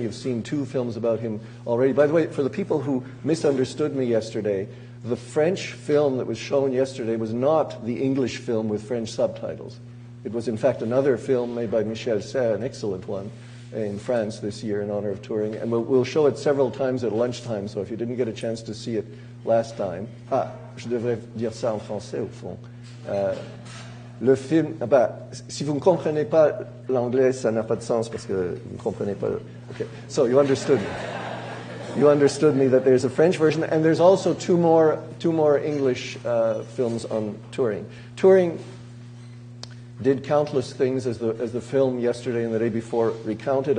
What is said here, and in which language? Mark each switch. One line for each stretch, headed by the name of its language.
English: You've seen two films about him already. By the way, for the people who misunderstood me yesterday, the French film that was shown yesterday was not the English film with French subtitles. It was, in fact, another film made by Michel Serres, an excellent one, in France this year in honor of Turing. And we'll show it several times at lunchtime, so if you didn't get a chance to see it last time...
French: Ah, je devrais dire ça en français, au fond. Le film... Bah, si vous ne comprenez pas l'anglais, ça n'a pas de sens, parce que vous ne comprenez pas...
English: Okay, so you understood me. You understood me that there's a French version, and there's also two more English films on Turing. Turing did countless things, as the film yesterday and the day before recounted.